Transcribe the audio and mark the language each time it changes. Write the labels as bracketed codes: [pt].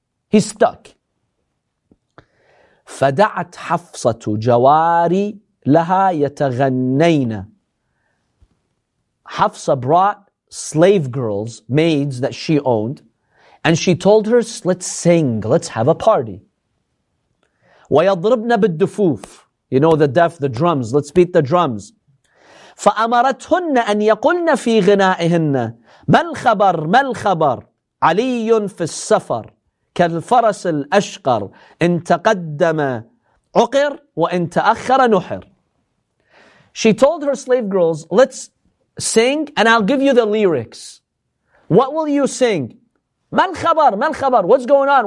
[en] He's stuck. [ar] فَدَعَتْ حَفْصَةُ جَوَارِي لَهَا يَتَغَنَّيْنَ. [en] Hafsa brought slave girls, maids that she owned, and she told her, let's sing, let's have a party. [ar] وَيَضْرِبْنَ بِالدُّفُوفِ. [en] You know the deaf, the drums, let's beat the drums. [ar] فَأَمَرَتْهُنَّ أَنْ يَقُلْنَ فِي غِنَائِهِنَّ مَالْخَبَرْ عَلِيٌّ فِي السَّفَرْ كالفرس الأشقر إن تقدم عقر وإن تأخر نحر. [en] She told her slave girls, let's sing and I'll give you the lyrics. What will you sing? [ar] ما الخبر؟ ما الخبر؟ [en] What's going on?